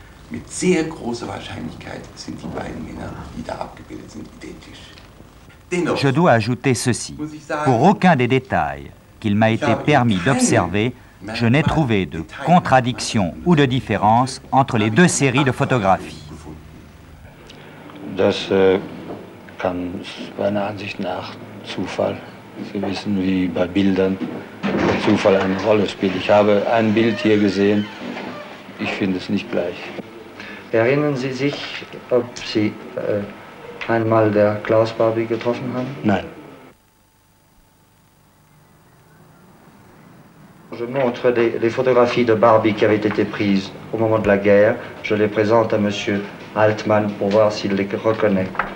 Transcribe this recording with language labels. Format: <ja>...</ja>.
<de>Mit sehr großer Wahrscheinlichkeit sind die beiden Männer, die da abgebildet sind, identisch.</de> <fr>Je dois ajouter ceci. Pour aucun des détails qu'il m'a été permis d'observer, je n'ai trouvé de contradiction ou de différence entre les deux séries de photographies.</fr> <de>Das kann meiner Ansicht nach Zufall. Sie wissen, wie bei Bildern Zufall eine Rolle spielt. Ich habe ein Bild hier gesehen. Ich finde es nicht gleich. Erinnern Sie sich, ob Sie einmal der Klaus Barbie getroffen haben? Nein.</de> <fr>Je montre les photographies de Barbie qui avaient été prises au moment de la guerre. Je les présente à Monsieur Altmann pour voir s'il les reconnaît.</fr>